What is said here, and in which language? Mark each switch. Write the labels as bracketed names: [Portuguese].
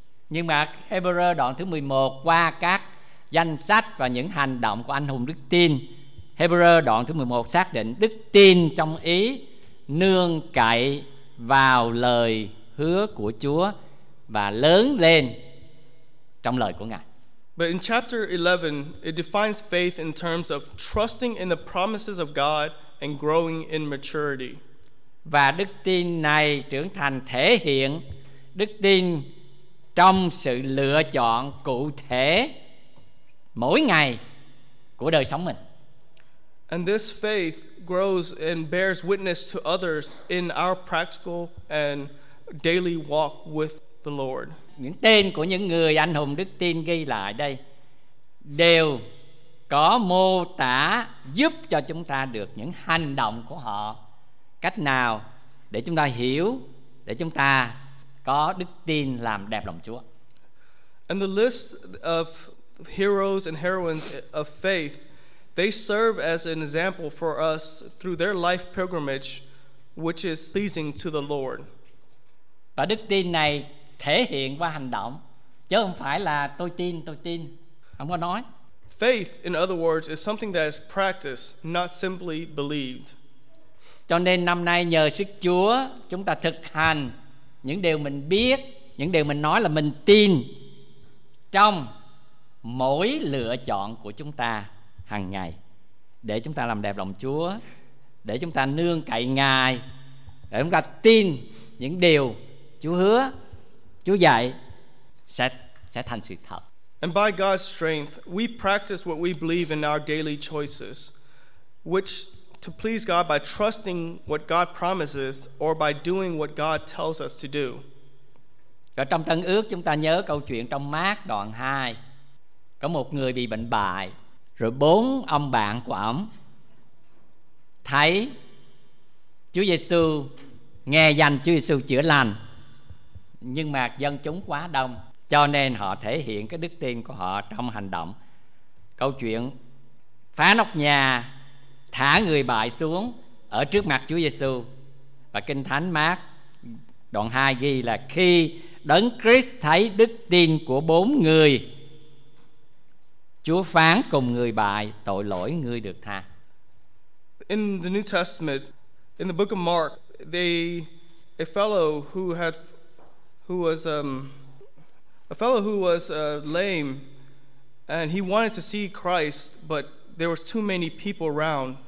[Vietnamese] Nhưng mà Hebrew đoạn thứ 11 qua các danh sách và những hành động của anh hùng đức tin, Hebrew đoạn thứ 11 xác định đức tin trong ý nương cậy vào lời hứa của Chúa và lớn lên trong lời của Ngài. [English] But in chapter 11, it defines faith in terms of trusting in the promises of God and growing in maturity. [Vietnamese] Và đức tin này trưởng thành thể hiện đức tin trong sự lựa chọn cụ thể mỗi ngày của đời sống mình. [English] And this faith grows and bears witness to others in our practical and daily walk with the Lord. [Vietnamese] Những tên của những người anh hùng đức tin ghi lại đây đều có mô tả giúp cho chúng ta được những hành động của họ, cách nào để chúng ta hiểu, để chúng ta có đức tin làm đẹp lòng Chúa. [English] And the list of heroes and heroines of faith, they serve as an example for us through their life pilgrimage, which is pleasing to the Lord. [Vietnamese] Và đức tin này thể hiện qua hành động, chứ không phải là tôi tin, không có nói. [English] Faith, in other words, is something that is practiced, not simply believed. [Vietnamese] Cho nên năm nay nhờ sức Chúa, chúng ta thực hành những điều mình biết, những điều mình nói là mình tin trong mỗi lựa chọn của chúng ta hàng ngày, để chúng ta làm đẹp lòng Chúa, để chúng ta nương cậy Ngài, để chúng ta tin những điều Chúa hứa, Chúa dạy sẽ thành sự thật. [English] And by God's strength, we practice what we believe in our daily choices, which to please God by trusting what God promises or by doing what God tells us to do. [Vietnamese] Và trong Tân Ước chúng ta nhớ câu chuyện trong Mác đoạn 2. Có một người bị bệnh bại, rồi bốn ông bạn của ông thấy Chúa Giêsu, nghe danh Chúa Giêsu chữa lành, nhưng mà dân chúng quá đông, cho nên họ thể hiện cái đức tin của họ trong hành động. Câu chuyện phá nóc nhà, thả người bại xuống ở trước mặt Chúa Giêsu. Và Kinh Thánh Mác đoạn 2 ghi là khi Đấng Christ thấy đức tin của bốn người, Chúa phán cùng người bại, tội lỗi ngươi được tha. [English] In the New Testament, in the book of Mark, a fellow who was lame and he wanted to see Christ, but there was too many people around.